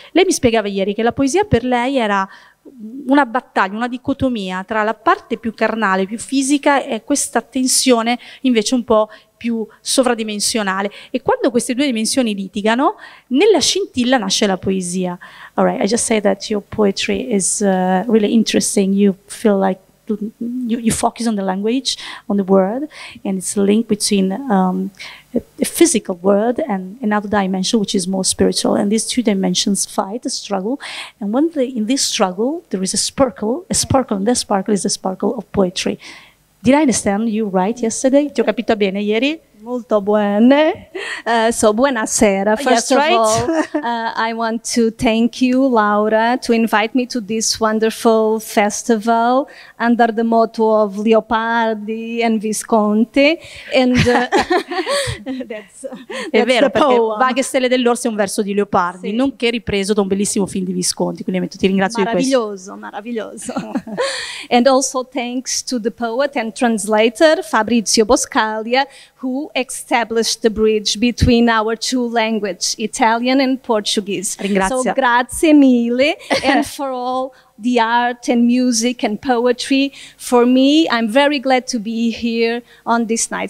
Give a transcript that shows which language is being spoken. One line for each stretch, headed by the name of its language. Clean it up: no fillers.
Italian: Lei mi spiegava ieri che la poesia per lei era una battaglia, una dicotomia tra la parte più carnale, più fisica, e questa tensione invece un po' più sovradimensionale. E quando queste due dimensioni litigano, nella scintilla nasce la poesia.
English: All right, I just say that your poetry is really interesting. You feel like you focus on the language, on the word, and it's a link between a physical world and another dimension, which is more spiritual. And these two dimensions fight, a struggle. And when in this struggle, there is a sparkle, and that sparkle is the sparkle of poetry. Did I understand you right yesterday?
Italian: Ti ho capito bene ieri? Molto bene. So, buonasera. First
English: yes, right. of all, I want to thank you, Laura, to invite me to this wonderful festival under the motto of Leopardi and Visconti. And
Italian: that's è vero, perché Vaghe Stelle dell'Orsa è un verso di Leopardi, sì. Nonché ripreso da un bellissimo film di Visconti. Quindi ti ringrazio di questo. Maraviglioso.
English: And also thanks to the poet and translator, Fabrizio Boscaglia, who established the bridge between our two languages, Italian and Portuguese.
Italian: Ringrazio. So grazie mille.
English: And for all the art and music and poetry, for me, I'm very glad to be here on this night.